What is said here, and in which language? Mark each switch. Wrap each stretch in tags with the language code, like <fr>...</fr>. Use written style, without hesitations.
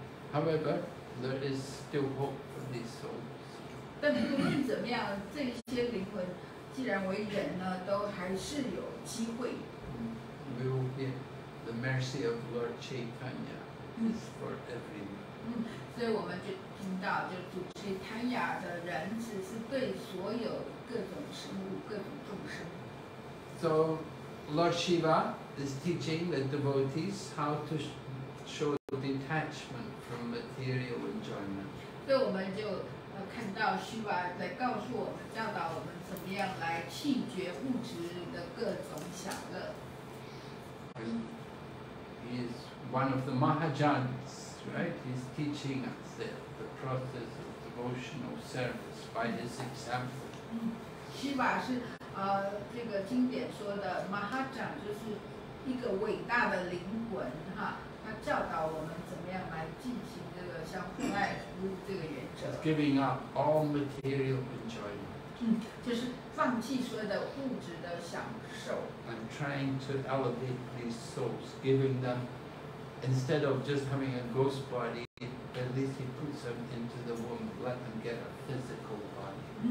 <en>However, there is still hope for these souls.</en> <zh>但不论怎么样，这些灵魂既然为人呢，都还是有机会。</zh> <en>We will be the mercy of Lord Chaitanya is for everyone.</en> <zh>所以我们就听到，就主 Chaitanya 的仁慈是对所有各种生物、各种众生。</zh> <en>So Lord Shiva is teaching the devotees how to show detachment from material enjoyment.</en> <zh>所以我们就看到 Shiva 在告诉我们，教导我们怎么样来弃绝物质的各种享乐。</zh> <en>He is one of the Mahajans, right? He's teaching us the process of devotional service by his example.</en> <zh>Shiva 是这个经典说的 Mahajan 就是一个伟大的灵魂哈，他教导我们怎么样来进行这个相互爱服务这个原则。</zh> <en>Giving up all material enjoyment.</en> <zh>就是放弃所有的物质的享受。</zh> <en>And trying to elevate these souls, giving them instead of just having a ghost body, at least he puts them into the womb, let them get a physical body.</en>